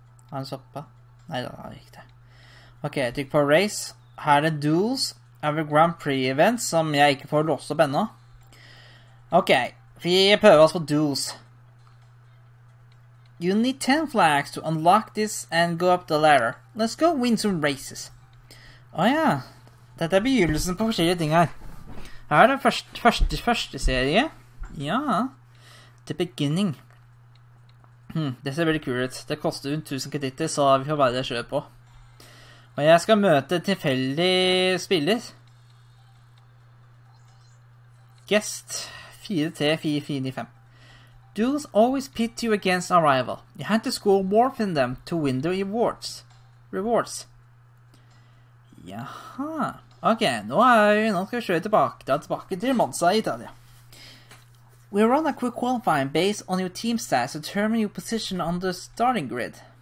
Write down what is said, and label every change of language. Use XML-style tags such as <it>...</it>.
<no>Har den soppa? Neida, det er ikke det. Ok, jeg trykker på race. Her er det duels. Her er det Grand Prix events som jeg ikke får låst opp enda. Ok, vi prøver oss på duels.</no> <en>You need 10 flags to unlock this and go up the ladder. Let's go win some races.</en> <no>Åja, dette er begynnelsen på forskjellige ting her. Her er det første serie. Ja.</no> <en>The beginning.</en> <no>Det ser veldig kul ut. Det koster rundt 1000 kreditter, så vi får bare kjøre på. Og jeg skal møte tilfeldig spiller.</no> <en>Guest 4-3-4-4-9-5. Duels always pit you against a rival. You have to score more than them to win the rewards. Rewards.</en> <no>Jaha. Ok, nå skal vi kjøre tilbake til Monza i Italia.</no> <en>We run a quick qualifying based on your team stats to determine your position on the starting grid.</en>